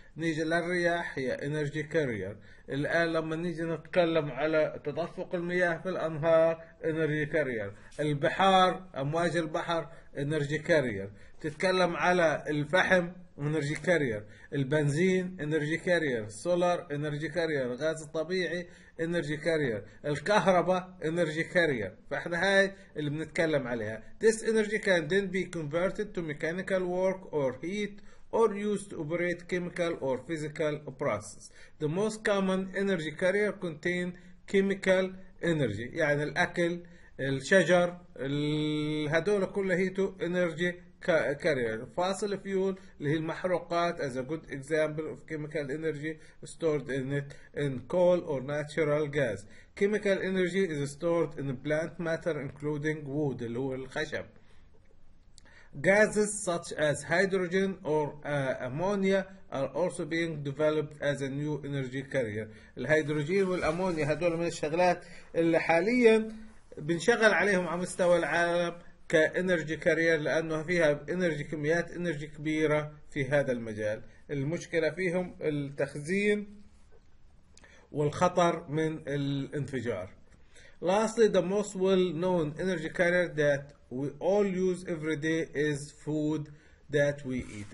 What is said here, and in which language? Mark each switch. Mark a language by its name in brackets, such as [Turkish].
[Arabic] نيجي للرياح هي انرجي كارير. الان لما نيجي نتكلم على تدفق المياه في الانهار انرجي كارير، البحار امواج البحر انرجي كارير، تتكلم على الفحم انرجي كارير، البنزين انرجي كارير، السولار انرجي كارير، الغاز الطبيعي انرجي كارير، الكهرباء انرجي كارير. فاحنا هاي اللي بنتكلم عليها. [English] This energy can then be converted to mechanical work or heat or used to operate chemical or physical process. The most common energy carrier contain chemical energy. [Arabic] يعني الأكل، الشجر، هدول كلها هيتو energy carrier. [English] Fossil fuel [Arabic] اللي هي المحروقات [English] as a good example of chemical energy stored in it in coal or natural gas. Chemical energy is stored in plant matter including wood [Arabic] اللي هو الخشب. [English] Gases such as hydrogen or ammonia are also being developed as a new energy carrier. [Arabic] الهيدروجين والأمونيا هدول من الشغلات اللي حاليا بنشغل عليهم على مستوى العالم كإنرجي كارير، لأنه فيها إنرجي كميات إنرجي كبيرة في هذا المجال. المشكلة فيهم التخزين والخطر من الانفجار. [English] Lastly, the most well-known energy carrier that we all use every day is food that we eat.